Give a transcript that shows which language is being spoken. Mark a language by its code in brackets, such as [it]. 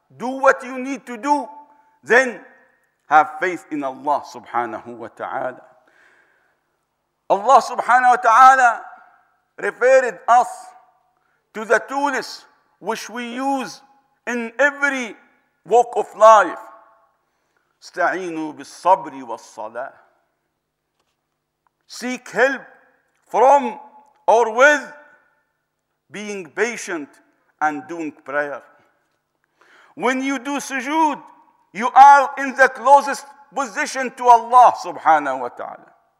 [en] Do what you need to do, then have faith in Allah subhanahu wa ta'ala. Allah subhanahu wa ta'ala referred us to the tools which we use in every walk of life. [ar] استعينوا بالصبر والصلاة. [en] Seek help from or with being patient and doing prayer. When you do sujood, you are in the closest position to Allah subhanahu wa ta'ala.